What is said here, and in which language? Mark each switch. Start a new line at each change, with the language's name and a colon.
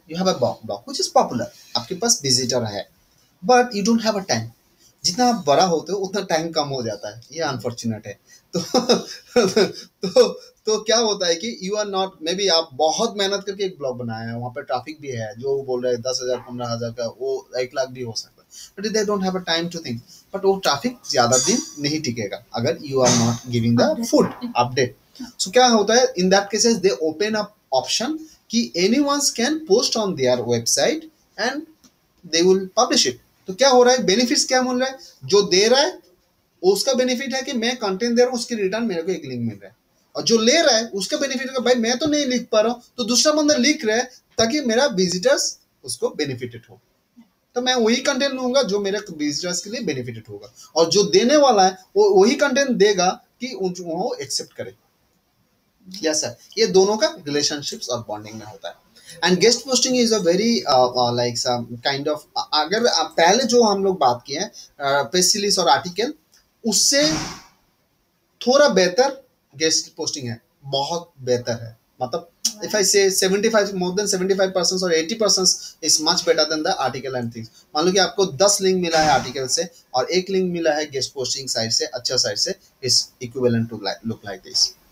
English: You have a blog which is popular.
Hindi: आपके पास visitor है,
English: but you don't have a time.
Hindi: जितना आप बड़ा होते हो उतना time कम हो जाता है. ये unfortunate है. तो क्या होता है कि
English: you are not maybe
Hindi: आप बहुत मेहनत करके एक blog बनाया है. वहाँ पे traffic भी है. जो बोल रहे हैं 10,000-15,000 का वो 1,00,000 भी हो सकता है.
English: But they don't have a time to think.
Hindi: But वो traffic ज़्यादा दिन नहीं टिकेगा. अगर
English: you are not giving the food update.
Hindi: So क्या होता है?
English: In that cases they open up option.
Hindi: कि
English: anyone can post on their website and they will publish it
Hindi: तो क्या हो रहा है बेनिफिट्स क्या मिल रहा है जो दे रहा है उसका बेनिफिट है कि मैं कंटेंट दे रहा हूँ उसके रिटर्न मेरे को एक लिंक मिल रहा है और जो ले रहा है उसका बेनिफिट होगा भाई मैं तो नहीं लिख पा रहा हूँ तो दूसरा बंदा लिख रहा है ताकि मेरा विजिटर्स उसको बेनिफिटेड हो तो मैं वही कंटेंट लूंगा जो मेरे विजिटर्स के लिए बेनिफिटेड होगा और जो देने वाला है वो वही कंटेंट देगा कि वो एक्सेप्ट करे
English: Yes, sir.
Hindi: ये दोनों का relationships और bonding में होता है.
English: And guest posting is a very like some kind of
Hindi: अगर पहले जो हम लोग बात किए हैं press release और article उससे थोड़ा बेहतर guest posting है बहुत बेहतर है मतलब
English: if I say 75 more than 75% or 80% is much better than the article and things
Hindi: मान लो कि आपको 10 link मिला है article से और एक link मिला है guest posting site से अच्छा site से
English: is equivalent to look like this.